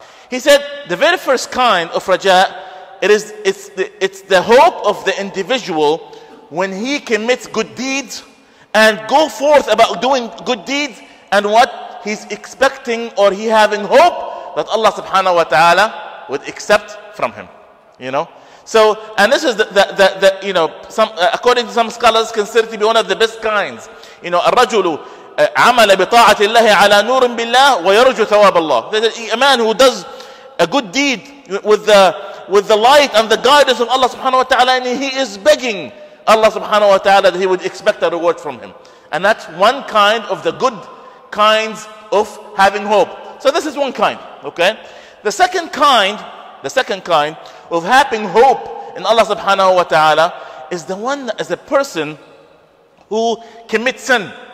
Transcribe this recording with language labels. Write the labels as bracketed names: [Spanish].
[English] He said the very first kind of raja, it's the hope of the individual when he commits good deeds and go forth about doing good deeds, and what he's expecting or he having hope that Allah subhanahu wa ta'ala would accept from him, you know. So, and this is according to some scholars, considered to be one of the best kinds. You know, [Arabic] الرجل عمل بطاعة الله على نور بالله ويرجو ثواب الله. [English] A man who does a good deed with the light and the guidance of Allah subhanahu wa ta'ala, and he is begging Allah subhanahu wa ta'ala that he would expect a reward from him. And that's one kind of the good kinds of having hope. So this is one kind, okay? The second kind of having hope in Allah subhanahu wa ta'ala is the one as a person who commits sin.